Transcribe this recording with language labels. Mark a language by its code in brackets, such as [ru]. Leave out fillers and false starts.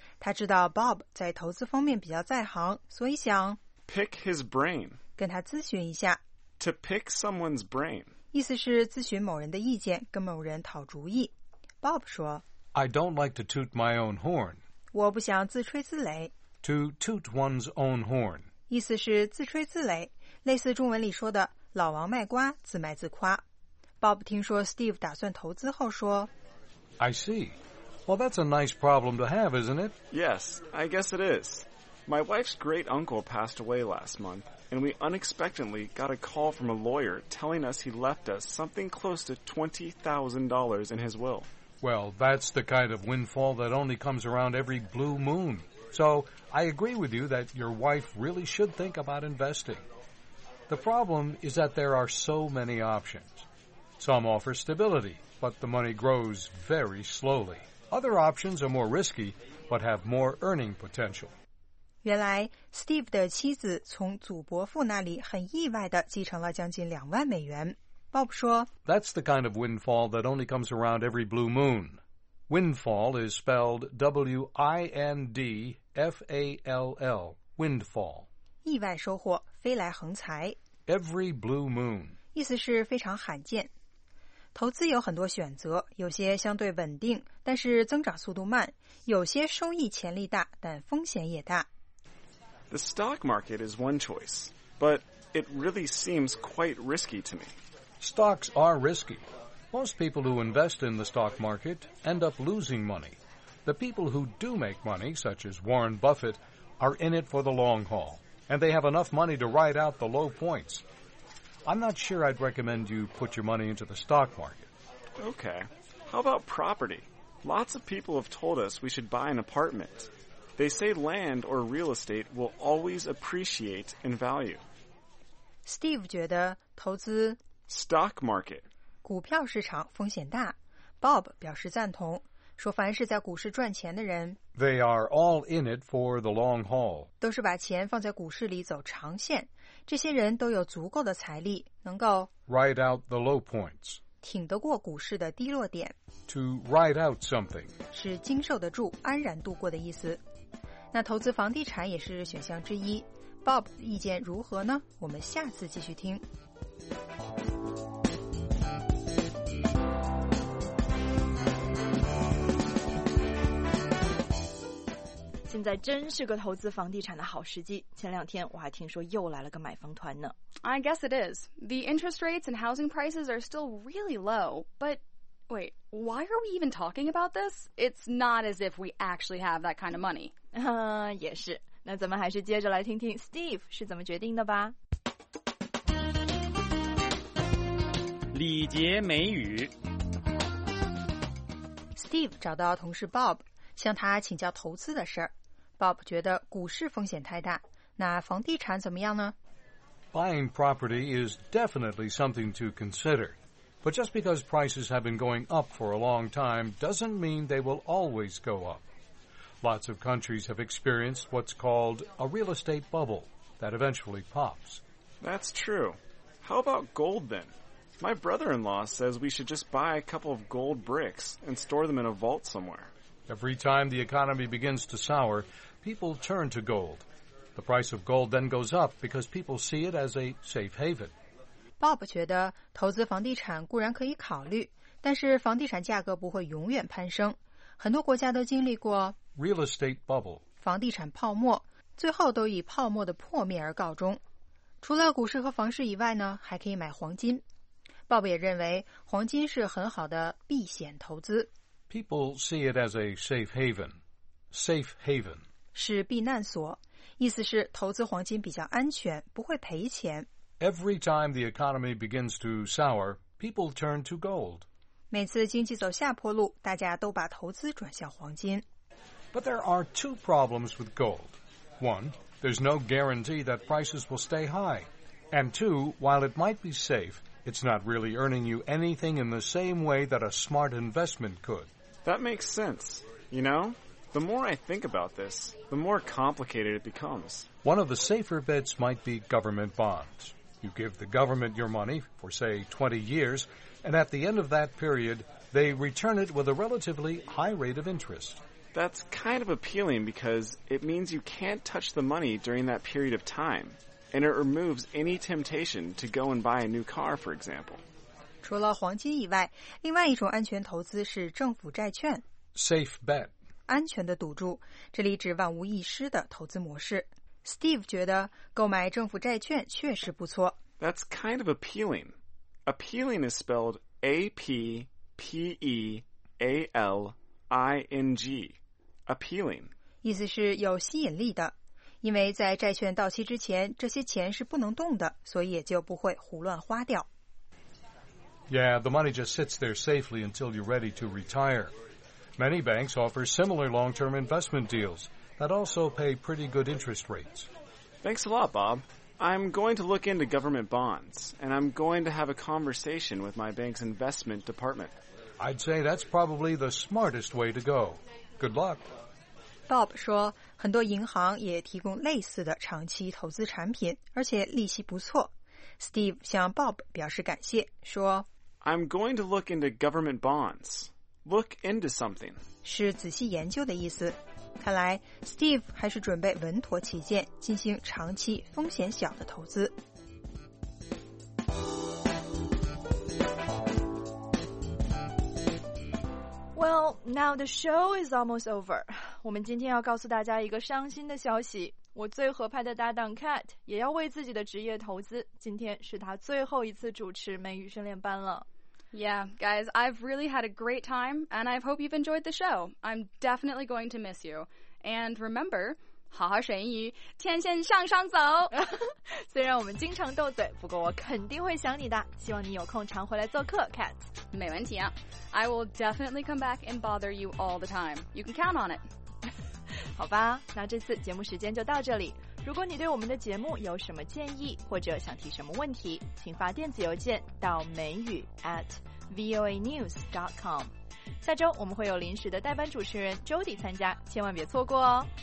[zh] 他知道 Bob 在投资方面比较在行，所以想 [en] pick his brain， [zh] 跟他咨询一下。 [en] To pick someone's brain， [zh] 意思是咨询某人的意见，跟某人讨主意。 Bob 说 [en] ：“I don't like to toot my own horn。” [zh] 我不想自吹自擂。 [en] To toot one's own horn， [zh] 意思是自吹自擂，类似中文里说的“老王卖瓜，自卖自夸”。 Bob 听说 Steve 打算投资后说 [en] I see. Well, that's a nice problem to have, isn't it? Yes, I guess it is. My wife's great uncle passed away last month, and we unexpectedly got a call from a lawyer telling us he left us something close to $20,000 in his will. Well, that's the kind of windfall that only comes around every blue moon. So, I agree with you that your wife really should think about investing. The problem is that there are so many options. Some offer stability, but the money grows very slowly. Other options are more risky, but have more earning potential. [zh] 原来 Steve 的妻子从祖伯父那里很意外地继承了将近$20,000。 Bob 说 [en] That's the kind of windfall that only comes around every blue moon. Windfall is spelled W-I-N-D-F-A-L-L, windfall. [zh] 意外收获，飞来横财。 [en] Every blue moon. [zh] 意思是非常罕见。投资有很多选择，有些相对稳定，但是增长速度慢；有些收益潜力大，但风险也大。 [en] The stock market is one choice, but it really seems quite risky to me. Stocks are risky. Most people who invest in the stock market end up losing money. The people who do make money, such as Warren Buffett, are in it for the long haul, and they have enough money to ride out the low points. I'm not sure I'd recommend you put your money into the stock market. Okay. How about property? Lots of people have told us we should buy an apartment. They say land or real estate will always appreciate in value. [zh] Steve 觉得投资 [en] Stock market. [zh] 股票市场风险大。 Bob 表示赞同，说凡是在股市赚钱的人 [en] They are all in it for the long haul. [zh] 都是把钱放在股市里走长线。这些人都有足够的财力，能够 [en] ride out the low points， [zh] 挺得过股市的低落点。 [en] To ride out something [zh] 是经受得住、安然度过的意思。那投资房地产也是选项之一。 Bob 意见如何呢？我们下次继续听。现在真是个投资房地产的好时机。前两天我还听说又来了个买房团呢。 [en] I guess it is. The interest rates and housing prices are still really low. But wait, why are we even talking about this? It's not as if we actually have that kind of money. [zh] 也是。那咱们还是接着来听听 Steve 是怎么决定的吧。礼节美语。 Steve 找到同事 Bob， 向他请教投资的事。 Bob 觉得股市风险太大，那房地产怎么样呢？ [en] Buying property is definitely something to consider. But just because prices have been going up for a long time doesn't mean they will always go up. Lots of countries have experienced what's called a real estate bubble that eventually pops. That's true. How about gold then? My brother-in-law says we should just buy a couple of gold bricks and store them in a vault somewhere. Every time the economy begins to sour, people turn to gold. The price of gold then goes up because people see it as a safe haven. [zh] Bob 觉得投资房地产固然可以考虑，但是房地产价格不会永远攀升。很多国家都经历过 [en] real estate bubble [zh] 房地产泡沫，最后都以泡沫的破灭而告终。除了股市和房市以外呢，还可以买黄金。Bob 也认为黄金是很好的避险投资。 [en] People see it as a safe haven. Safe haven [zh] 是避难所。意思是投资黄金比较安全，不会赔钱。 [en] Every time the economy begins to sour, people turn to gold. [zh] 每次经济走下坡路，大家都把投资转向黄金。 [en] But there are two problems with gold. One, there's no guarantee that prices will stay high. And two, while it might be safe, it's not really earning you anything in the same way that a smart investment could. That makes sense, you know? The more I think about this, the more complicated it becomes. One of the safer bets might be government bonds. You give the government your money for, say, 20 years, and at the end of that period, they return it with a relatively high rate of interest. That's kind of appealing because it means you can't touch the money during that period of time, and it removes any temptation to go and buy a new car, for example. [zh] 除了黄金以外，另外一种安全投资是政府债券。 [en] Safe bet. [zh] 安全的赌注，这里指万无一失的投资模式。 Steve 觉得购买政府债券确实不错。 [en] That's kind of appealing. Appealing is spelled A-P-P-E-A-L-I-N-G. Appealing. [zh] 意思是有吸引力的，因为在债券到期之前，这些钱是不能动的，所以也就不会胡乱花掉。 [en] Yeah, the money just sits there safely until you're ready to retire. Many banks offer similar long-term investment deals that also pay pretty good interest rates. Thanks a lot, Bob. I'm going to look into government bonds, and I'm going to have a conversation with my bank's investment department. I'd say that's probably the smartest way to go. Good luck. [zh] Bob 说，很多银行也提供类似的长期投资产品，而且利息不错。 Steve 向 Bob 表示感谢，说 [en] I'm going to look into government bonds. Look into something. [zh] 是仔细研究的意思。看来 Steve 还是准备稳妥起见，进行长期风险小的投资。 [en] Well, now the show is almost over. [zh] 我们今天要告诉大家一个伤心的消息，我最合拍的搭档 Cat 也要为自己的职业投资，今天是他最后一次主持美语训练班了。 [en] Yeah, guys, I've really had a great time, and I hope you've enjoyed the show. I'm definitely going to miss you. And remember, [zh] 好好学英语，天线向上走。虽然我们经常斗嘴，不过我肯定会想你的。希望你有空常回来做客 ，Cat。没问题啊 [en] ，I will definitely come back and bother you all the time. You can count on it. [zh] 好吧，那这次节目时间就到这里。如果你对我们的节目有什么建议或者想提什么问题，请发电子邮件到美语 @voanews.com。下周我们会有临时的代班主持人 Jody 参加，千万别错过哦。